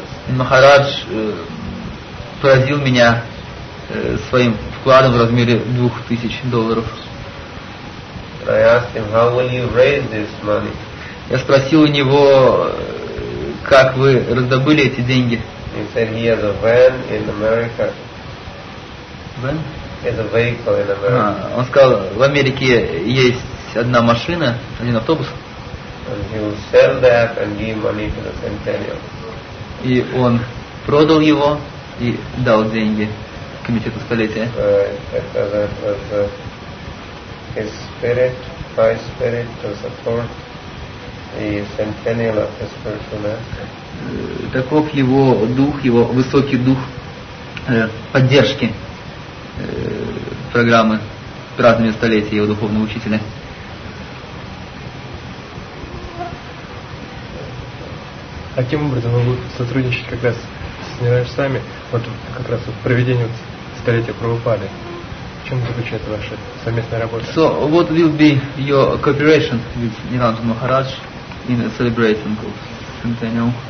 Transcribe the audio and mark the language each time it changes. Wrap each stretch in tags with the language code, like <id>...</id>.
<ru>Махарадж поразил меня своим вкладом в размере $2,000.</ru> <en>I asked him, how will you raise this money?</en> <ru>Я спросил у него, как вы раздобыли эти деньги.</ru> <en>He said he has a van in America. Van? It's a vehicle in America.</en> <ru>Он сказал, в Америке есть одна машина, один автобус.</ru> <en>And he will sell that and give money to the centennial.</en> <ru>И он продал его и дал деньги комитету столетия.</ru> <en>His spirit, my spirit, to support the centennial of his personality.</en> <ru>Таков его дух, его высокий дух поддержки программы праздновать столетие его духовного учителя. Каким образом вы будете сотрудничать как раз с Нираджсами, вот как раз в проведении столетия Прабхупады? В чем заключается ваша совместная работа?</ru> <en>So, what will be your cooperation with Niranj Maharaj in celebrating the centennial?</en>